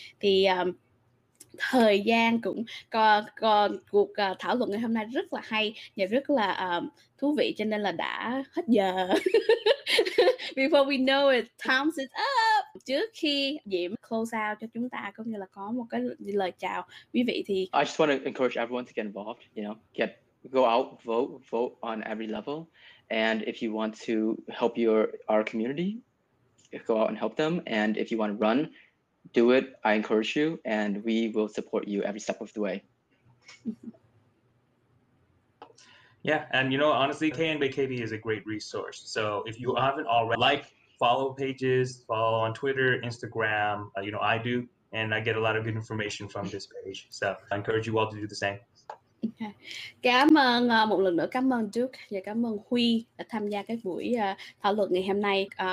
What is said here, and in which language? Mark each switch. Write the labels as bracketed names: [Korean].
[Vietnamese] Thì thời gian cũng cuộc thảo luận ngày hôm nay rất là hay và rất là thú vị, cho nên là đã hết giờ. [English] Before we know it, time's is up. [Vietnamese] Trước khi Diễm [English] close out [Vietnamese] cho chúng ta, có nghĩa là có một cái lời chào quý vị thì [English] I just want to encourage everyone to get involved, you know, go out, vote on every level, and if you want to help our community, go out and help them, and if you want to run, do it. I encourage you, and we will support you every step of the way. Yeah, and you know, honestly, KNBKB is a great resource. So if you haven't already, follow pages, follow on Twitter, Instagram, you know, I do, and I get a lot of good information from this page. So I encourage you all to do the same. Okay. [Vietnamese] Cảm ơn một lần nữa, cảm ơn Duke và cảm ơn Huy đã tham gia cái buổi thảo luận ngày hôm nay.